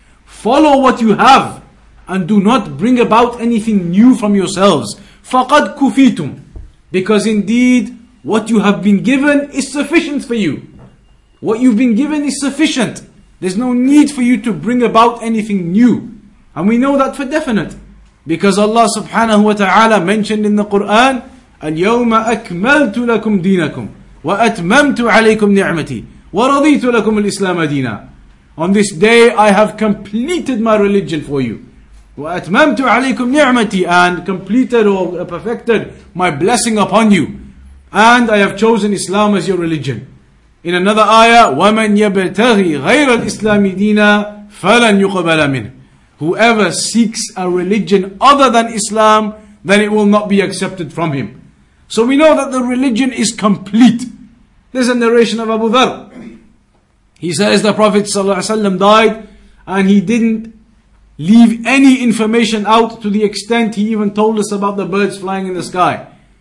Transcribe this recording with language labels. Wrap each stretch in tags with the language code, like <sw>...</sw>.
<en>Follow what you have, and do not bring about anything new from yourselves.</en> <ar>فَقَدْ كُفِيتُمْ,</ar> <en>because indeed, what you have been given is sufficient for you. What you've been given is sufficient. There's no need for you to bring about anything new. And we know that for definite, because Allah subhanahu wa ta'ala mentioned in the Qur'an,</en> <ar>اليوم أكملت لكم دينكم وأتممت عليكم نعمتي ورضيت لكم الإسلام دينا.</ar> <en>On this day I have completed my religion for you.</en> <ar>وأتممت عليكم نعمتي,</ar> <en>and completed or perfected my blessing upon you. And I have chosen Islam as your religion. In another ayah,</en> <ar>ومن يبتغي غير الإسلام دينا فلن يقبل منه.</ar> <en>Whoever seeks a religion other than Islam, then it will not be accepted from him. So we know that the religion is complete. There's a narration of Abu Dharr. He says the Prophet ﷺ died and he didn't leave any information out, to the extent he even told us about the birds flying in the sky.</en>